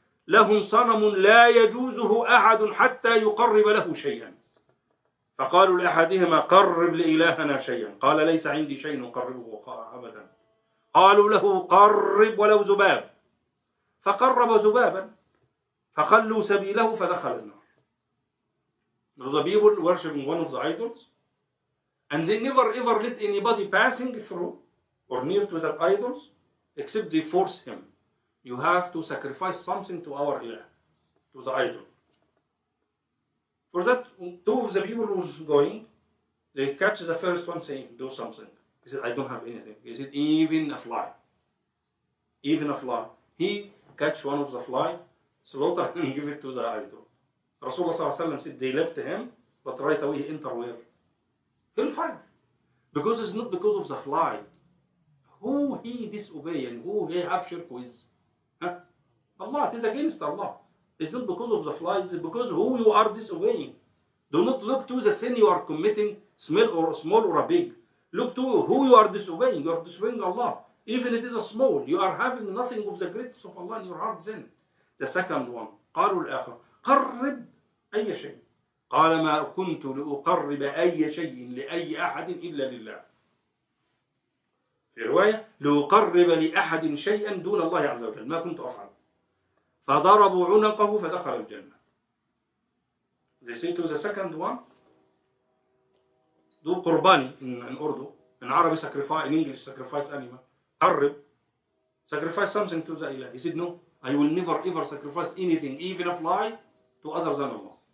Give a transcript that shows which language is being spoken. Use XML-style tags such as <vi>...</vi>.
<ar>لهم صنم لا يجوزه أحد حتى يقرب له شيئا. فقالوا لأحدهما قرب لإلهنا شيئا. قال ليس عندي شيء نقربه أبدا. قالوا له قرب ولو ذباب. فقرب ذبابا. فخلوا سبيله فدخل النار.</ar> <en>The people worshiping one of the idols, and they never ever let anybody passing through or near to the idols, except they force him. You have to sacrifice something to our Ilah, to the idol. For that, two of the people who were going, they catch the first one saying, do something. He said, I don't have anything. He said, even a fly. Even a fly. He catch one of the fly, slaughter and give it to the idol. Rasulullah said, they left him, but right away he entered where? Hellfire. Because it's not because of the fly. Who he disobey and who he have shirk with? Huh? Allah, it is against Allah. It's not because of the fly, it's because who you are disobeying. Do not look to the sin you are committing, small or a big. Look to who you are disobeying. You are disobeying Allah. Even if it is a small, you are having nothing of the greatness of Allah in your heart then.</en> <ar>The second one, قالوا الآخر, قرب أي شيء. قال ما كنت لأقرب أي شيء لأي أحد إلا لله. في رواية, لأقرب لأحد شيئا دون الله عز وجل, ما كنت أفعل. فضربوا عنقه فدخل الجنة.</ar> <en>They say to the second one, do qurbani in Urdu, in Arabic sacrifice, in English sacrifice animal, قرب, sacrifice something to the Allah. He said, no, I will never ever sacrifice anything, even a fly, to other than Allah.</en>